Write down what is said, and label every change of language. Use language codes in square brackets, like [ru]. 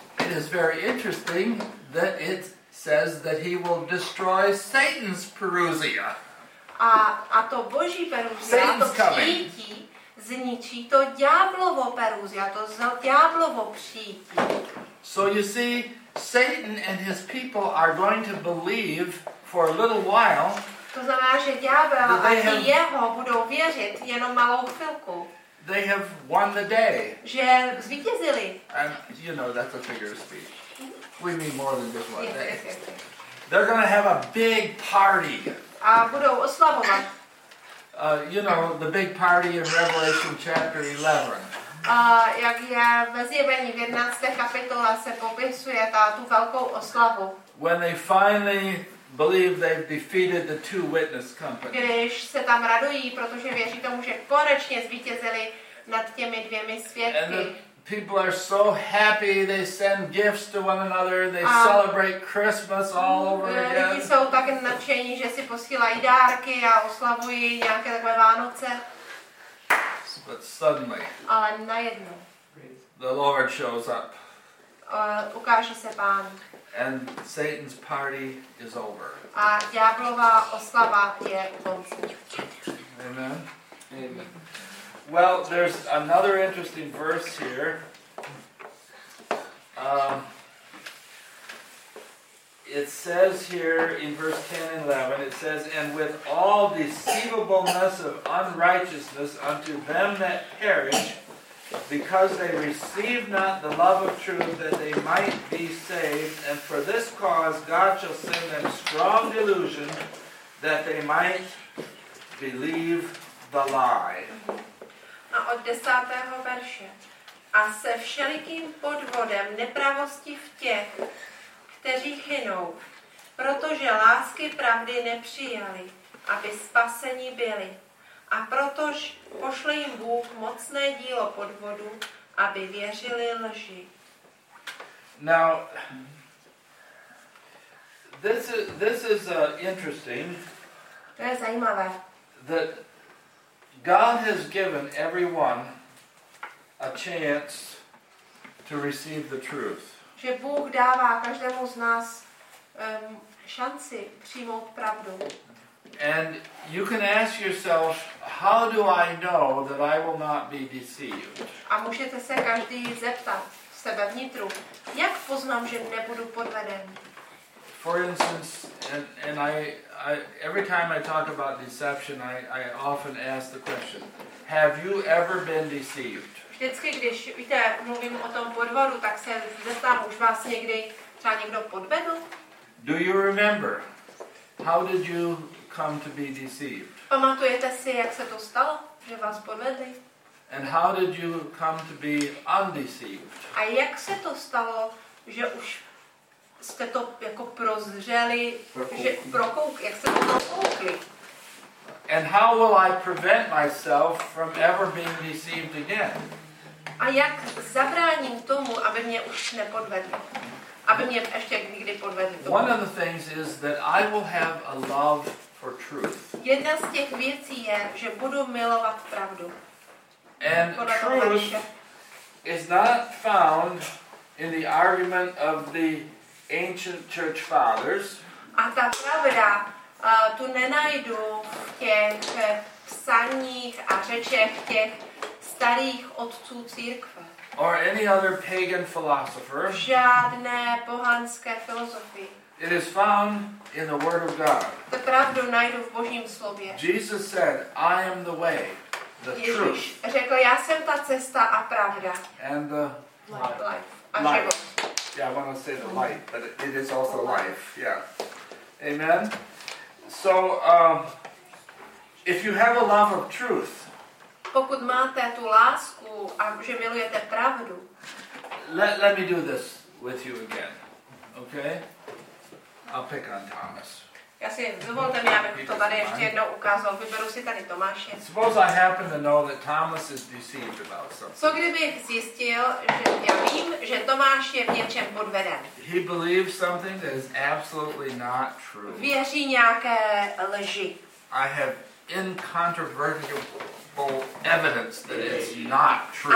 [en] it is very interesting that it's says that he will destroy Satan's parousia. [cs] A to Boží parousia, to přijítí, zničí to ďáblovo parousia, to ďáblovo přijítí. [en] So you see, Satan and his people are going to believe for a little while. [cs] To znamená, že ďábel a jeho budou věřit jenom malou chvilku. [en] They have won the day. [cs] Že zvítězili. [en] And you know, that's a figure of speech. We mean more than just one day. They're going to have a big party. [cs] A budou oslavovat. [en] You know, the big party in Revelation chapter 11. [cs] Jak je ve zjevení v 11. kapitole se popisuje ta tu velkou oslavu. [en] When they finally believe they've defeated the two witness companies. [cs] Když se tam radují, protože věří tomu, že konečně zvítězili nad těmi dvěmi svědky. [en] People are so happy, they send gifts to one another, they celebrate Christmas all over again. [cs] Lidi jsou tak nadšení, že si posílají dárky a oslavují nějaké takové Vánoce. [en] But suddenly, [cs] ale najednou, [en] the Lord shows up. [cs] Ukáže se Pán. [en] And Satan's party is over. [cs] A ďáblova oslava je u konce. [en] Amen. Amen. Well, there's another interesting verse here. It says here in verse 10 and 11, it says, and with all deceivableness of unrighteousness unto them that perish, because they receive not the love of truth that they might be saved, and for this cause God shall send them strong delusion that they might believe the lie. [cs] A od 10. verše. A se všelikým podvodem nepravosti v těch, kteří chynou, protože lásky pravdy nepřijali, aby spaseni byli. A protož pošle jim Bůh mocné dílo podvodu, aby věřili lži. [en] Now, this is interesting. [cs] To je zajímavé. [en] God has given everyone a chance to receive the truth. [cs] Že Bůh dává každému z nás šanci přijmout pravdu. [en] And you can ask yourself, how do I know that I will not be deceived? [cs] A můžete se každý zeptat v sebe vnitru, jak poznám, že nebudu podveden? [en] For instance, and I every time I talk about deception, I often ask the question, have you ever been deceived? [cs] Vždycky, když víte, mluvím o tom podvodu, tak se zeptám, už vás někdy třeba někdo podvedl? [en] Do you remember? How did you come to be deceived? [cs] Pamatujete si, jak se to stalo, že vás podvedli? [en] And how did you come to be undeceived? [cs] A jak se to stalo, že už jste to jako prozřeli, že prokouk, jak jste to prokoukli. [en] And how will I prevent myself from ever being deceived again? [cs] A jak zabráním tomu, aby mě už nepodvedli? Aby mě ještě nikdy podvedli? [en] One of the things is that I will have a love for truth. [cs] Jedna z těch věcí je, že budu milovat pravdu. [en] And truth is not found in the argument of the ancient church fathers. [cs] A ta pravda tu nenajdu v těch psaních a řečech těch starých otců církve. [en] Or any other pagan philosopher. [cs] Žádné pohanské filozofie. [en] It is found in the word of God. [cs] Tu pravdu najdu v Božím slově. [en] Jesus said, I am the way, the [cs] Ježíš [en] truth. [cs] Řekl, já jsem ta cesta a pravda. [en] And the life. Life. Life. Yeah, I want to say the light, but it is also life. Yeah. Amen. So, if you have a love of truth, [cs] pokud máte tu lásku a že milujete pravdu, [en] let me do this with you again. Okay? I'll pick on Thomas. [cs] Já si dovolte mi, abych to tady ještě jednou ukázal. Vyberu si tady Tomáše. [en] Suppose I happen to know that Thomas is deceived about something. [cs] Co kdybych zjistil, že já vím, že Tomáš je v něčem podveden. [en] He believes something that is absolutely not true. [cs] Věří nějaké lži. [en] I have incontrovertible evidence that it's not true.